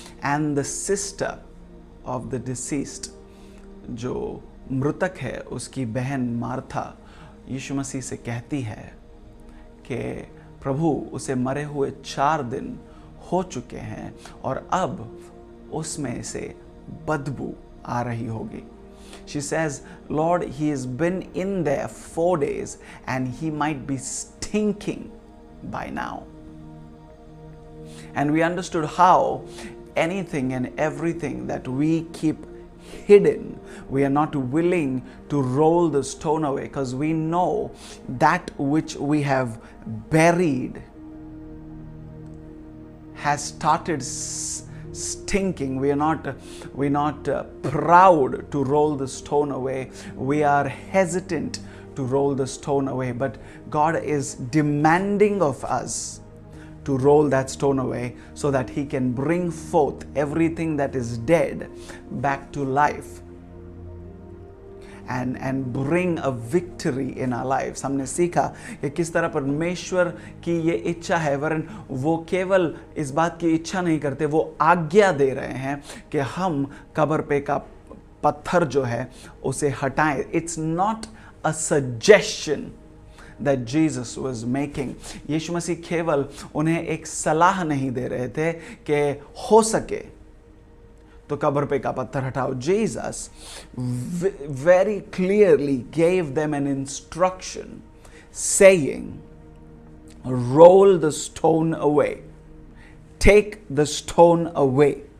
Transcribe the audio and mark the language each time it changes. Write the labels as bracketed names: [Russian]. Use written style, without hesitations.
[English] And the sister of the deceased, [Hindi] जो मृतक है उसकी बहन मार्था, यीशु मसीह से कहती है कि प्रभु उसे मरे हुए 4 दिन हो चुके हैं और अब उसमें से बदबू आ रही होगी. [English] She says, Lord, he has been in there 4 days and he might be stinking by now. And we understood how anything and everything that we keep hidden, we are not willing to roll the stone away because we know that which we have buried has started stinking. We're not proud to roll the stone away. We are hesitant to roll the stone away, but God is demanding of us to roll that stone away so that he can bring forth everything that is dead back to life and bring a victory in our lives. [Hindi] हमने सीखा कि किस तरह परमेश्वर की ये इच्छा है, वरन वो केवल इस बात की इच्छा नहीं करते, वो आज्ञा दे रहे हैं कि हम कब्र पे का पत्थर जो है उसे हटाएं. [English] It's not a suggestion that Jesus was making. [Hindi] यीशु मसीह केवल उन्हें एक सलाह नहीं दे रहे थे कि हो सके तो कब्र पे का पत्थर हटाओ. [English] Jesus very clearly gave them an instruction saying roll the stone away, take the stone away.